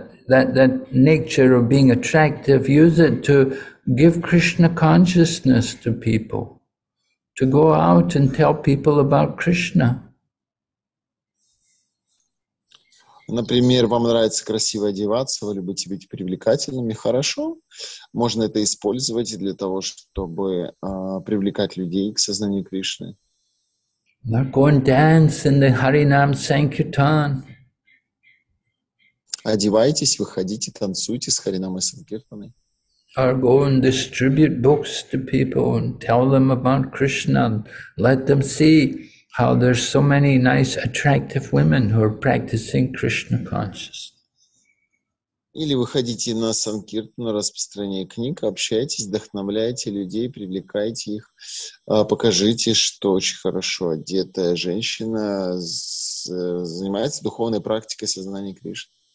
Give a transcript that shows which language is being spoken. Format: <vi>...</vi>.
<en>that nature of being attractive, use it to give Krishna consciousness to people, to go out and tell people about Krishna.</en> <ru>Например, вам нравится красиво одеваться, вы любите быть привлекательными, хорошо. Можно это использовать для того, чтобы привлекать людей к сознанию Кришны.</ru> <en>Now go and dance in the Harinam Sankirtan.</en> <ru>Одевайтесь, выходите, танцуйте с Харинамой Сангиртаной.</ru> <en>Or go and distribute books to people and tell them about Krishna. Let them see how there's so many nice, attractive women who are practicing Krishna consciousness.</en> <ru>Или выходите на Санкиртану, распространяйте книг, общайтесь, вдохновляйте людей, привлекайте их, покажите, что очень хорошо одетая женщина занимается духовной практикой сознания Кришны.</ru>